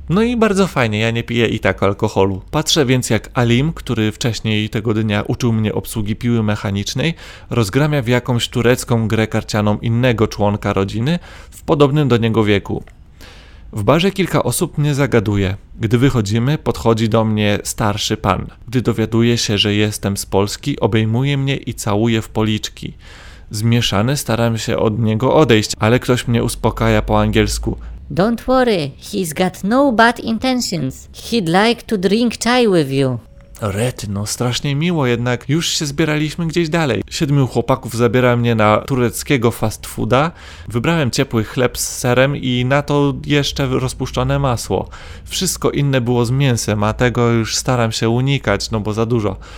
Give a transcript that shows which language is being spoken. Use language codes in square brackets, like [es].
[pl] No i bardzo fajnie, ja nie piję i tak alkoholu. Patrzę więc, jak Alim, który wcześniej tego dnia uczył mnie obsługi piły mechanicznej, rozgramia w jakąś turecką grę karcianą innego członka rodziny w podobnym do niego wieku. W barze kilka osób mnie zagaduje. Gdy wychodzimy, podchodzi do mnie starszy pan. Gdy dowiaduje się, że jestem z Polski, obejmuje mnie i całuje w policzki. Zmieszany staram się od niego odejść, ale ktoś mnie uspokaja po angielsku. [en] Don't worry, he's got no bad intentions. He'd like to drink chai with you. [pl] Rety, no strasznie miło, jednak już się zbieraliśmy gdzieś dalej. 7 chłopaków zabiera mnie na tureckiego fast fooda. Wybrałem ciepły chleb z serem i na to jeszcze rozpuszczone masło. Wszystko inne było z mięsem, a tego już staram się unikać, no bo za dużo.